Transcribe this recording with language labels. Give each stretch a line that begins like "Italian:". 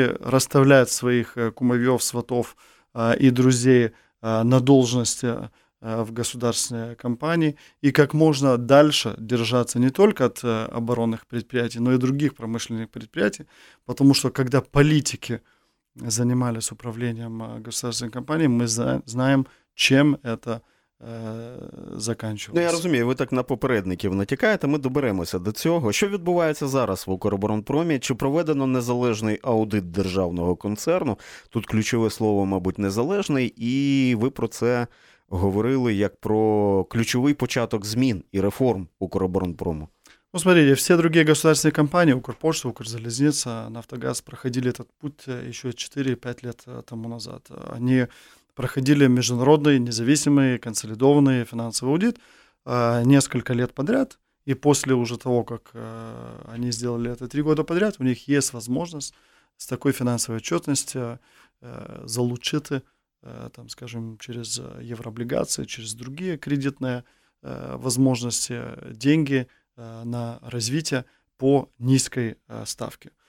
Russian: расставлять своих кумовьев, сватов и друзей на должности в государственной компании и как можно дальше держаться не только от оборонных предприятий, но и других промышленных предприятий, потому что когда политики занимались управлением государственной компанией, мы знаем, чем это заканчивалось.
Ukrainian: Ну, я розумію, ви так на попередників натякаєте, ми доберемося до цього. Що відбувається зараз в «Укроборонпромі»? Чи проведено незалежний аудит державного концерну? Тут ключове слово, мабуть, незалежний, і ви про це говорили як про ключовий початок змін і реформ «Укроборонпрому».
Russian: Ну, смотрите, все другие государственные компании, Укрпочта, Укрзалезница, Нафтогаз, проходили этот путь еще 4-5 лет тому назад. Они проходили международный, независимый, консолидованный финансовый аудит несколько лет подряд. И после уже того, как они сделали это 3 года подряд, у них есть возможность с такой финансовой отчетностью залучить, там, скажем, через еврооблигации, через другие кредитные возможности, деньги на развитие по низкой ставке.